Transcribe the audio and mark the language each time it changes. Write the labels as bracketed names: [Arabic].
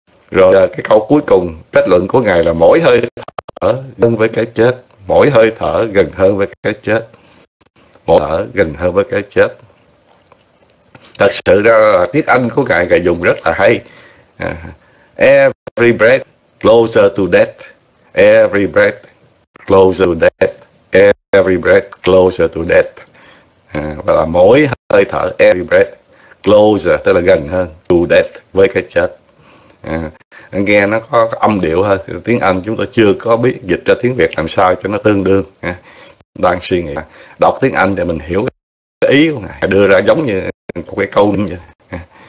[Vietnamese] Rồi cái câu cuối cùng, kết luận của ngài là mỗi hơi thở gần với cái chết, mỗi hơi thở gần hơn với cái chết, mỗi thở gần hơn với cái chết. Thật sự ra là tiếng Anh của ngài ngài dùng rất là hay. [English] Every breath closer to death, every breath closer to death, every breath closer to death. [Vietnamese] Và là mỗi hơi thở, [English] every breath closer, [Vietnamese] tức là gần hơn, [English] to death, [Vietnamese] với cái chết. Nghe nó có âm điệu hơn. Tiếng Anh chúng tôi chưa có biết dịch ra tiếng Việt làm sao cho nó tương đương. Đang suy nghĩ đọc tiếng Anh để mình hiểu cái ý của ngài, đưa ra giống như một cái câu như vậy.